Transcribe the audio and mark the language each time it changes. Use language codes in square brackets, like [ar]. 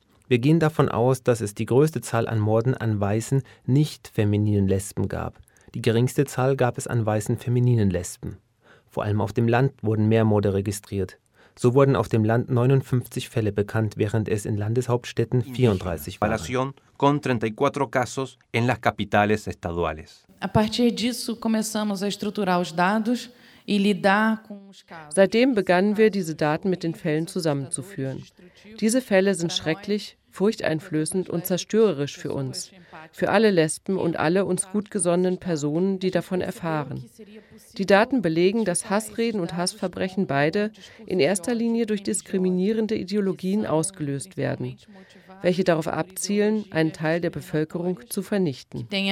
[de] Wir gehen davon aus, dass es die größte Zahl an Morden an weißen, nicht femininen Lesben gab. Die geringste Zahl gab es an weißen, femininen Lesben. Vor allem auf dem Land wurden mehr Morde registriert. So wurden auf dem Land 59 Fälle bekannt, während es in Landeshauptstädten 34 waren. [es] Con 34 casos en las capitales estaduales. [pt] A partir disso começamos a estruturar os dados e lidar com os casos. [de] Seitdem begannen wir, diese Daten mit den Fällen zusammenzuführen. Diese Fälle sind schrecklich, furchteinflößend und zerstörerisch für uns, für alle Lesben und alle uns gut gesonnenen Personen, die davon erfahren. Die Daten belegen, dass Hassreden und Hassverbrechen beide in erster Linie durch diskriminierende Ideologien ausgelöst werden, welche darauf abzielen, einen Teil der Bevölkerung zu vernichten.